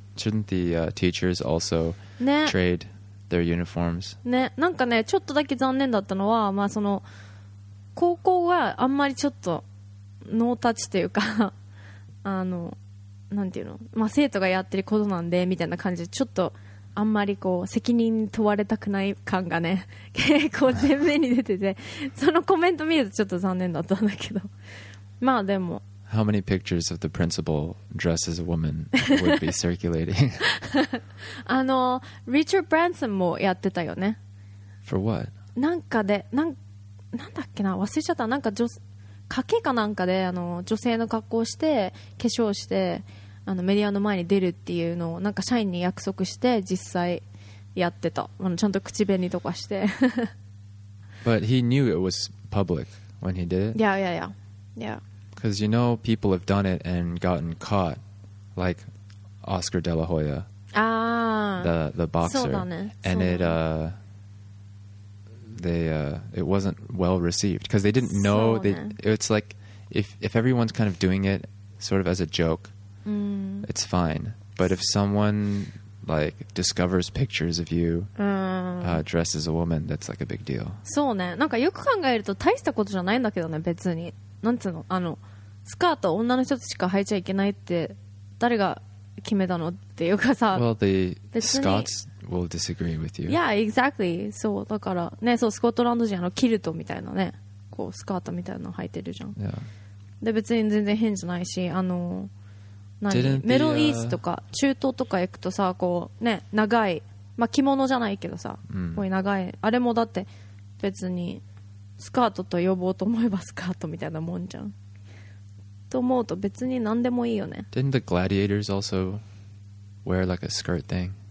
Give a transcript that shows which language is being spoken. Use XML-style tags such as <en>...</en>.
<en>Shouldn't the teachers also、ね、trade their uniforms?</en> <ja>ね、なんかね、ちょっとだけ残念だったのは、まあ、その高校はあんまりちょっとノータッチというかあのなんていうの、まあ、生徒がやってることなんでみたいな感じで、ちょっとあんまりこう責任問われたくない感がね結構前面に出てて、そのコメント見るとちょっと残念だったんだけど、まあでも</ja> <en>How many pictures of the principal dressed as a woman would be circulating?</en> <ja>あのリチャード・ブランソンもやってたよね。</ja> <en>For what?</en> <ja>なんかで、なんだっけな、忘れちゃった、なんか賭けかなんかで、あの女性の格好をして化粧して、あのメディアの前に出るっていうのをなんか社員に約束して実際やってた、あのちゃんと口紅とかして</ja> <en>But he knew it was public when he did it? Yeah, yeah, yeah. Yeah. Because you know people have done it and gotten caught, like Oscar De La Hoya, the boxer.</en> <ja>そうだね。</ja> <en>And it, they, it wasn't well received because they didn't know. It's like if everyone's kind of doing it sort of as a joke,、 mm. it's fine. But if someone like discovers pictures of you、 dress as a woman, that's like a big deal.</en> <ja>そうね。なんかよく考えると大したことじゃないんだけどね、別に。なんつうの、あのスカート女の人しか履いちゃいけないって誰が決めたのっていうかさ。</ja> <en>Well, the Scots will disagree with you. Yeah, exactly.</en> <ja>そうだからね、そうスコットランド人あのキルトみたいなね、こうスカートみたいなの履いてるじゃん。</ja> <en>Yeah.</en> <ja>で別に全然変じゃないし、あの何メドルイーストとか中東とか行くとさ、こうね長い、まあ、着物じゃないけどさ、 mm. こういう長いあれもだって別にスカートと呼ぼうと思えばスカートみたいなもんじゃんと思うと別に何でもいいよね。</ja> <en>Didn't the gladiators also wear like a skirt thing?</en>